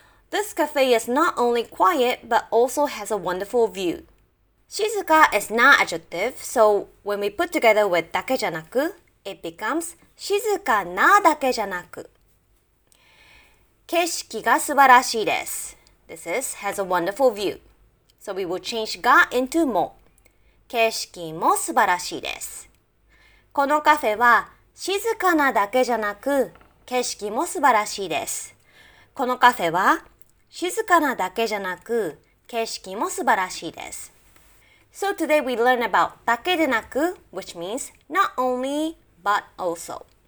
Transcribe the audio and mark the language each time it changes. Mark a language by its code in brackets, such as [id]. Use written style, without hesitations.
[en] This cafe is not only quiet but also has a wonderful view. 静か is not adjective, so when we put together with だけじゃなく, it becomes [ja] 静かなだけじゃなく。景色が素晴らしいです。 [en] This is has a wonderful view. So we will change が into も。 [ja] 景色も素晴らしいです。このカフェは静かなだけじゃなく、景色も素晴らしいです。このカフェは静かなだけじゃなく、景色も素晴らしいです。 [en] So today we learn about だけでなく、which means not only but also.